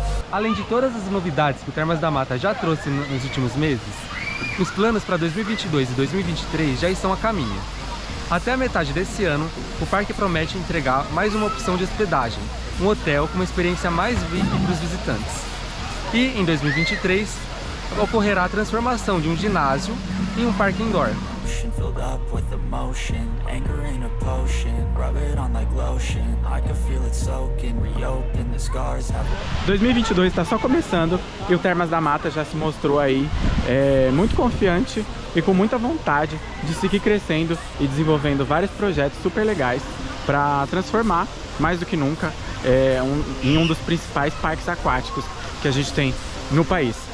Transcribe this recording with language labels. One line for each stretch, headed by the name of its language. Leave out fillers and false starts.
Portuguese: Além de todas as novidades que o Termas da Mata já trouxe nos últimos meses, os planos para 2022 e 2023 já estão a caminho. Até a metade desse ano, o parque promete entregar mais uma opção de hospedagem, um hotel com uma experiência mais VIP para os visitantes. E, em 2023, ocorrerá a transformação de um ginásio em um parque indoor.
English: Filled up with emotion, anger in a potion, rub it on like lotion, I can feel it soaking, reopen the scars.
Portuguese: 2022 está só começando e o Termas da Mata já se mostrou aí muito confiante e com muita vontade de seguir crescendo e desenvolvendo vários projetos super legais para transformar mais do que nunca em um dos principais parques aquáticos que a gente tem no país.